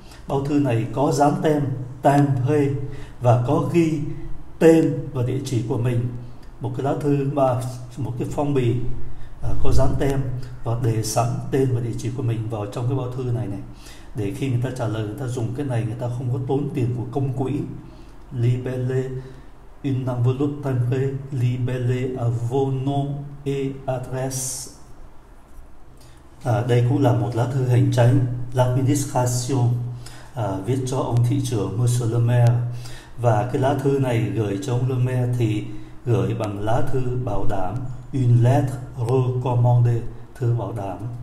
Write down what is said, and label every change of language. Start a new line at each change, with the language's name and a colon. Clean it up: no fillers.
Vietnamese: Bao thư này có dán tem timbre và có ghi tên và địa chỉ của mình. Một cái lá thư và một cái phong bì có dán tem và để sẵn tên và địa chỉ của mình vào trong cái bao thư này này. Để khi người ta trả lời, người ta dùng cái này, người ta không có tốn tiền của công quỹ.
French: Libellé, une enveloppe timbrée, libellé à vos noms et adresses.
Vietnamese: Đây cũng là một lá thư hành chánh, l'administration, viết cho ông thị trưởng
French: Monsieur Le Maire.
Vietnamese: Và cái lá thư này gửi cho ông Le Maire thì gửi bằng lá thư bảo đảm,
French: une lettre recommandée,
Vietnamese: thư bảo đảm.